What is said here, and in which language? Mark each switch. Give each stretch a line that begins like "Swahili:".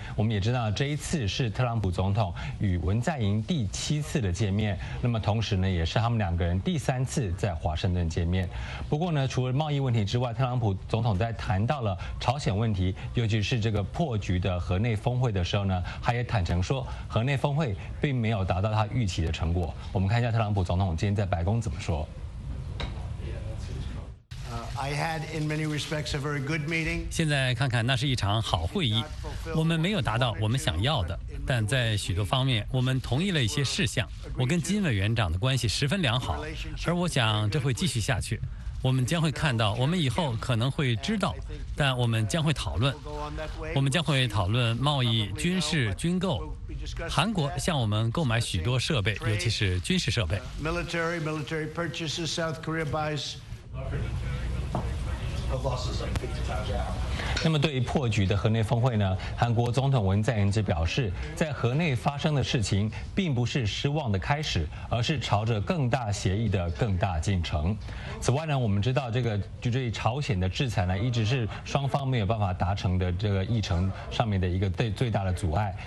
Chinese: 我们也知道，这一次是特朗普总统与文在寅第7次的见面，那么同时呢，也是他们两个人第3次在华盛顿见面。不过呢，除了贸易问题之外，特朗普总统在谈到了朝鲜问题，尤其是这个破局的河内峰会的时候呢，他也坦诚说，河内峰会并没有达到他预期的成果。我们看一下特朗普总统今天在白宫怎么说。
English: I had, in many respects, a very good meeting.
Chinese: 现在看看，那是一场好会议。我们没有达到我们想要的，但在许多方面，我们同意了一些事项。我跟金委员长的关系十分良好，而我想这会继续下去。我们将会看到，我们以后可能会知道，但我们将会讨论。我们将会讨论贸易、军事、军购。韩国向我们购买许多设备，尤其是军事设备。
English: Military purchases South Korea buys.
Chinese: 那么对于破局的河内峰会呢，韩国总统文在寅就表示，在河内发生的事情并不是失望的开始，而是朝着更大协议的更大进程。此外呢，我们知道这个就对朝鲜的制裁呢，一直是双方没有办法达成的这个议程上面的一个最大的阻碍。